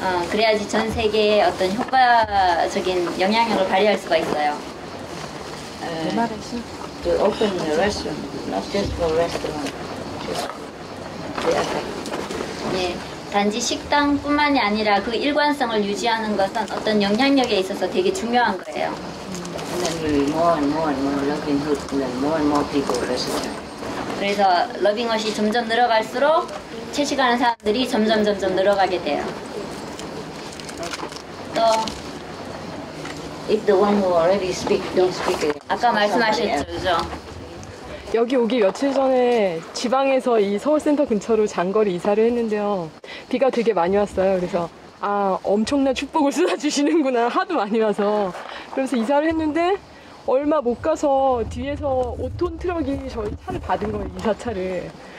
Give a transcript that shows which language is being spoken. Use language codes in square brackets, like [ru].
[ko] 그래야지 전 세계에 어떤 효과적인 영향력을 발휘할 수가 있어요. [en] To open the restaurant, not just for restaurant. [ko] 예, 단지 식당뿐만이 아니라 그 일관성을 유지하는 것은 어떤 영향력에 있어서 되게 중요한 거예요. [en] And then we'll be more and more looking good, and then more and more people restaurant. [ko] 그래서 러빙헛이 점점 늘어갈수록 채식하는 사람들이 점점 늘어가게 돼요. 또 [en] If the one who already speak, don't speak. [ko] 아까 말씀하셨죠, 그죠? 여기 오기 며칠 전에 지방에서 이 서울센터 근처로 장거리 이사를 했는데요. 비가 되게 많이 왔어요. 그래서 아, 엄청난 축복을 쏟아주시는구나, 하도 많이 와서. 그래서 이사를 했는데 얼마 못 가서 뒤에서 5톤 트럭이 저희 차를 받은 거예요, 이사차를.